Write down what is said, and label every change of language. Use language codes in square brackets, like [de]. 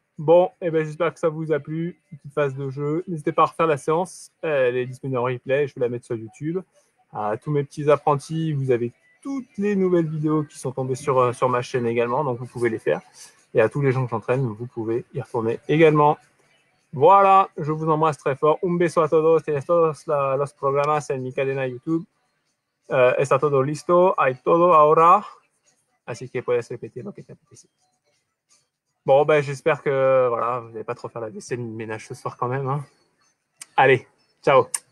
[fr] Bon, et ben j'espère que ça vous a plu. Une petite phase de jeu. N'hésitez pas à refaire la séance. Elle est disponible en replay. Je vais la mettre sur YouTube. À tous mes petits apprentis, vous avez toutes les nouvelles vidéos qui sont tombées sur ma chaîne également, donc vous pouvez les faire. Et à tous les gens que j'entraîne, vous pouvez y retourner également. Voilà, je vous embrasse très fort. [es] Un beso a todos, tienes todos los programas en mi cadena YouTube. Está todo listo, hay todo ahora. Así que puedes repetir lo que te apetece. [fr] Bon, ben, j'espère que voilà, vous n'allez pas trop faire la vaisselle, le ménage ce soir quand même. Hein. Allez, ciao.